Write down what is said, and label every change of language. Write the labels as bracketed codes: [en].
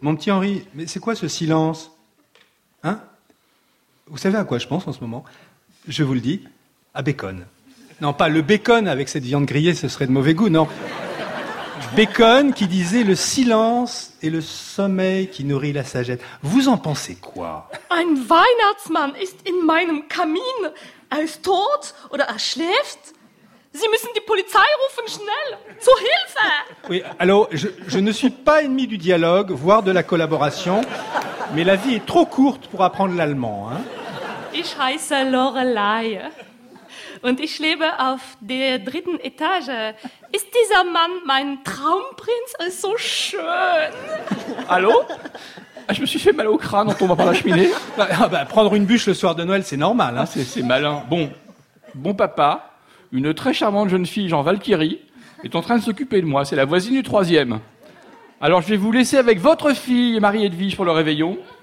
[fr] Mon petit Henri, mais c'est quoi ce silence ? Hein ? Vous savez à quoi je pense en ce moment ? Je vous le dis, à bacon. Non, pas le bacon avec cette viande grillée, ce serait de mauvais goût, non ? Bacon qui disait « Le silence est le sommeil qui nourrit la sagesse ». Vous en pensez quoi ? [de] Ein Weihnachtsmann ist in meinem Kamin. Er ist tot oder er schläft. Sie müssen die Polizei rufen schnell. Zu Hilfe ! [fr] Oui, alors, je ne suis pas ennemi du dialogue, voire de la collaboration, mais la vie est trop courte pour apprendre l'allemand. Hein. [de] Ich heiße Lorelei. Und ich lebe auf der dritten Etage. Ist dieser Mann mein Traumprinz? Er ist so schön. [fr] Allô? Je me suis fait mal au crâne en tombant par la cheminée. Bah, prendre une bûche le soir de Noël, c'est normal. Hein. C'est malin. Bon papa, une très charmante jeune fille, genre Valkyrie, est en train de s'occuper de moi. C'est la voisine du troisième. Alors je vais vous laisser avec votre fille, Marie-Edwige, pour le réveillon.